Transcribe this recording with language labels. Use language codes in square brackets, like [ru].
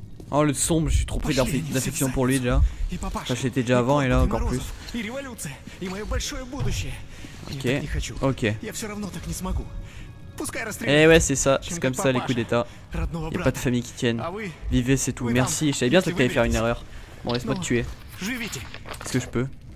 [fr] Oh, le sombre, je suis trop pris d'affection pour lui déjà. Ça j'étais déjà avant et là encore plus. [ru] И революция, и мое большое будущее. Ok. Я не хочу. Ok. Я все равно так не смогу. Пускай расстреляют. [fr] Eh ouais, c'est ça. C'est comme ça les coups d'état. Y a pas de famille qui tienne. Vivez, c'est tout. Merci. Je savais bien que t'allais faire une erreur. Bon, laisse-moi te tuer. Est-ce que je peux?